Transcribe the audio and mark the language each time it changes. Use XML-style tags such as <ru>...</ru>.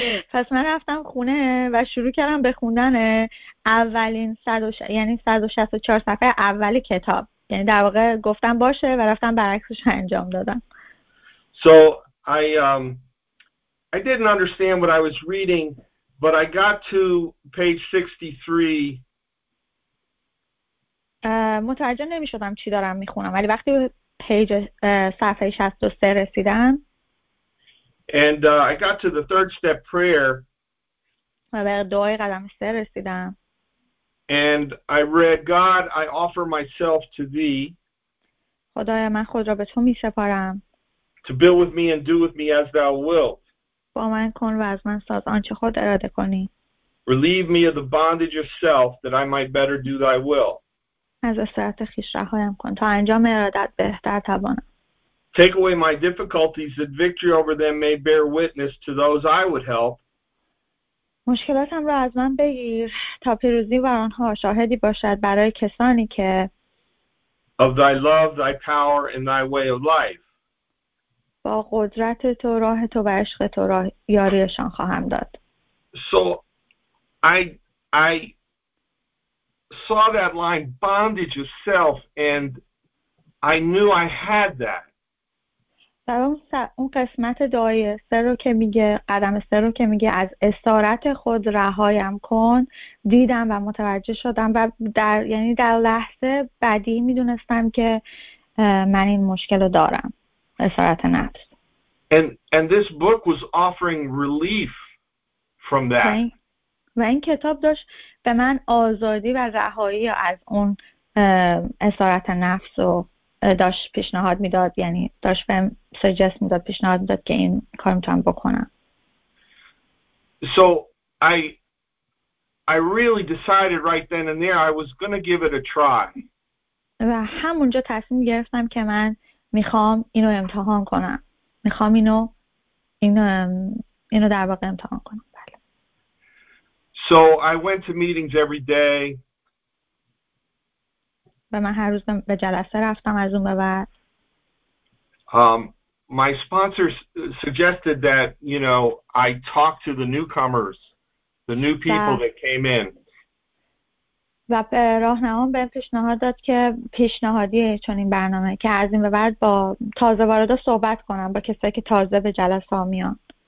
<fa>پس من رفتم خونه و شروع کردم به خوندن اولین 164 صفحه اول کتاب. یعنی در واقع گفتم باشه و رفتم برعکسش انجام دادم.</fa> <en>So I didn't understand what I was reading, but I got to page 63.</en> <fa>متوجه نمی‌شدم چی دارم می‌خونم، ولی وقتی به پیج صفحه 63 رسیدم</fa> <en>I got to the third step prayer.</en> <fa>و به دعای قدم 3 رسیدم.</fa> <en>And I read, God, I offer myself to thee.</en> <fa>خدایا من خود را به تو می‌سپارم.</fa> <en>To build with me and do with me as thou wilt.</en> <fa>با من کن و از من ساز آنچه خود اراده کنی.</fa> <en>Relieve me of the bondage of self that I might better do thy will.</en> <fa>از اسارت خویش رهایم کن تا انجام ارادت بهتر توانم.</fa> <en>Take away my difficulties that victory over them may bear witness to those I would help.</en> <fa>مشکلاتم را از من بگیر تا پیروزی بر آنها شاهدی باشد برای کسانی که</fa> <en>of thy love, thy power, and thy way of life.</en> <fa>با قدرت تو، راه تو و عشق تو را یاریشان خواهم داد.</fa> <en>So I saw that line, bondage of self, and I knew I had that.</en> <fa>در اون قسمت دعای سر رو که میگه، قدم سر رو که میگه از اسارت خود رهایم کن، دیدم و متوجه شدم و در یعنی در لحظه بعدی میدونستم که من این مشکل رو دارم.</fa> <en>And this book was offering relief from that.</en> <fa>و این کتاب داشت به من آزادی و رهایی از اون اسارت نفس رو داشت پیشنهاد میداد، یعنی داشت بهم سجست میداد، پیشنهاد میداد که این کارو میتونم بکنم.</fa> <en>So I really decided right then and there I was going to give it a try.</en> <fa>و همونجا تصمیم گرفتم که من میخوام اینو امتحان کنم. میخوام اینو در واقع امتحان کنم. بله.</fa> <en>So I went to meetings every day.</en> <fa>و من هر روز به جلسه رفتم از اون به بعد.</fa> <en>My sponsor suggested that, you know, I talk to the newcomers, the new people that came in.</en> <fa>و راهنمام بهم پیشنهاد داد که پیشنهادیه چون این برنامه که از این به بعد با تازه واردا صحبت کنم، با کسایی که تازه به جلسه ها میان.</fa>